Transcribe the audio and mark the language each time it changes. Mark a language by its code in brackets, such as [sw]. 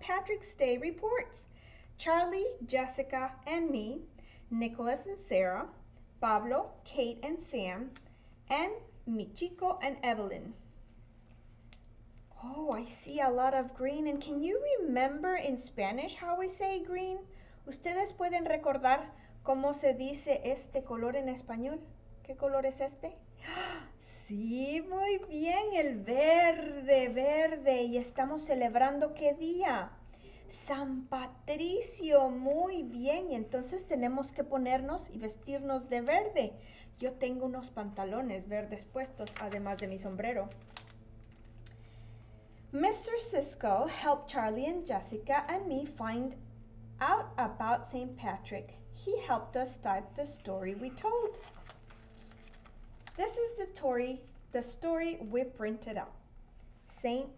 [en] Patrick's Day reports. Charlie, Jessica, and me, Nicholas and Sarah, Pablo, Kate, and Sam, and Michiko and Evelyn. Oh, I see a lot of green. And can you remember in Spanish how we say green? [es] ¿Ustedes pueden recordar cómo se dice este color en español? ¿Qué color es este? Sí, muy bien, el verde, verde. ¿Y estamos celebrando qué día? San Patricio, muy bien. Y entonces tenemos que ponernos y vestirnos de verde. Yo tengo unos pantalones verdes puestos, además de mi sombrero. [en] Mr. Cisco helped Charlie and Jessica and me find out about St. Patrick. He helped us type the story we told. This is the story we printed out. St.